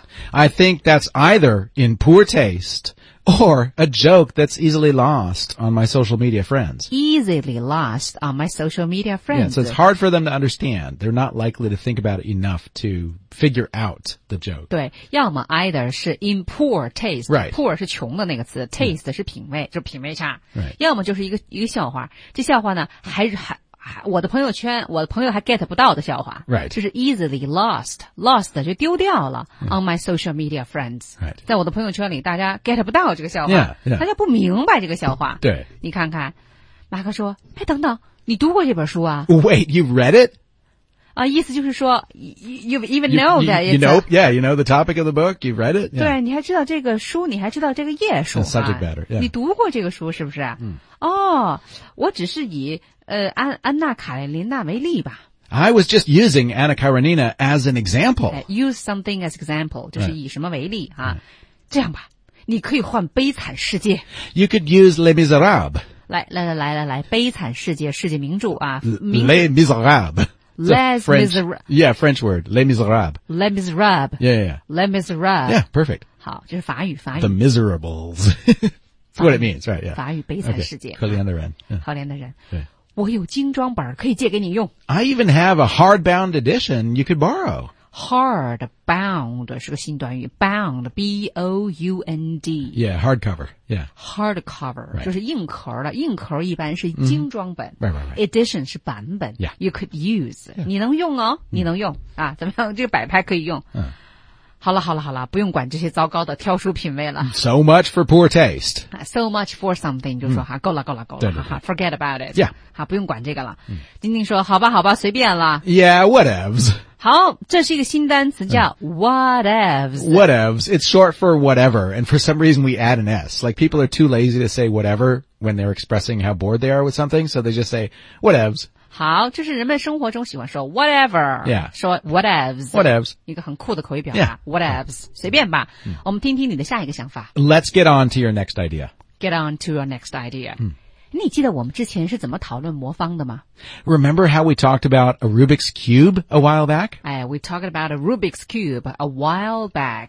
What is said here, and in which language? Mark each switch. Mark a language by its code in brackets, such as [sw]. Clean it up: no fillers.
[en] I think that's either in poor taste, or a joke that's easily lost on my social media friends. Easily lost on my social media friends. Yeah, so it's hard for them to understand. They're not likely to think about it enough to figure out the joke. [zh] 对，要么 either 是 [en] in poor taste. Right. [zh] Poor 是穷的那个词 ,taste、yeah. 是品味，就是品味差。 [en] Right. [zh] 要么就是一个笑话。这笑话呢还我的朋友圈我的朋友还 get 不到的笑话。 [en] Right. [zh] 就是 [en] easily lost. [zh] Lost 就丢掉了、yeah. [en] on my social media friends. Right. [zh] 在我的朋友圈里大家 get 不到这个笑话。 [en] Yeah, yeah. [zh] 大家不明白这个笑话。对。你看看马克说哎等等你读过这本书啊 [en] ?Wait, you've read it? [zh] 啊，意思就是说 ， [en] you even know that you know, yeah, you know the topic of the book, you've read it.、Yeah. [zh] 对，你还知道这个书，你还知道这个页数、 [en] the、subject matter.、Yeah. [zh] 你读过这个书是不是？嗯。哦，我只是以安娜卡列琳娜为例吧。 [en] I was just using Anna Karenina as an example. Okay, use something as example, [zh] 就是以什么为例、 [en] right. 啊？Right. [zh] 这样吧，你可以换《悲惨世界》。 [en] You could use Les Misérables. [zh] 来，《悲惨世界》世界名著啊。 [fr] Les Misérables. Les Miserables. [en] Yeah, French word. Les Miserables. [fr] Les Miserables. [en] Yeah, yeah, yeah. [fr] Les Miserables. [en] Yeah, perfect. [zh] 好就是法语法语。 [en] The Miserables. That's what it means, right, yeah. [zh] 法语悲惨世界。可怜的人。可怜的人。对。我有精装本可以借给你用。 [en] I even have a hardbound edition you could borrow. [zh] Hardbound 是个新短语。Bound, B-O-U-N-D. [en] Yeah, hardcover. Yeah. Hardcover,、 right. [zh] 就是硬壳的。硬壳一般是精装本。 [en] Mm-hmm. Right, right, right. [zh] Edition 是版本。 [en] Yeah. You could use.、 [zh] Yeah. 你能用哦、mm. 你能用。啊怎么样这个摆拍可以用。好了不用管这些糟糕的挑书品味了。 [en] So much for poor taste. So much for something, [zh] 就说哈、够了对对对 [en] 好。Forget about it. Yeah. [zh] 好不用管这个了。丁丁说好吧随便了。 [en] Yeah, whatevs. [zh] 好这是一个新单词叫 whatevs. [en] Whatevs, it's short for whatever, and for some reason we add an S. Like people are too lazy to say whatever when they're expressing how bored they are with something, so they just say whatevs. [zh] 好就是人们生活中喜欢说 whatever、 [en] yeah. [zh] 说 whatevs [en] whatevs [zh] 一个很酷的口语表达、 [en] yeah. [zh] whatevs 随便吧、mm. 我们听听你的下一个想法 [en] Let's get on to your next idea Get on to your next idea、 mm. [zh] 你记得我们之前是怎么讨论魔方的吗 [en] Remember how we talked about a Rubik's Cube a while back? We talked about a Rubik's Cube a while back、